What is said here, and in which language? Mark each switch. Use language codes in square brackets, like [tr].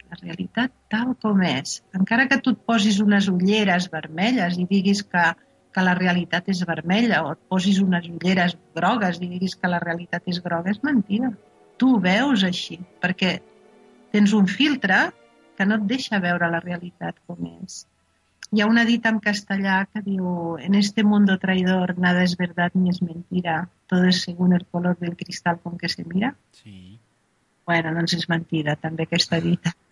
[ca] La realitat tal com és. Encara que tu et posis unes ulleres vermelles i diguis que la realitat és vermella, o et posis unes ulleres grogues i diguis que la realitat és groga, és mentida. Tu ho veus així, perquè tens un filtre que no et deixa veure la realitat com és. Hi ha una dita en castellà que diu: [es] en este mundo traidor nada es verdad ni es mentira, todo es según el color del cristal con que se mira. [ca] Sí. Bueno, doncs és mentida, també, aquesta dita.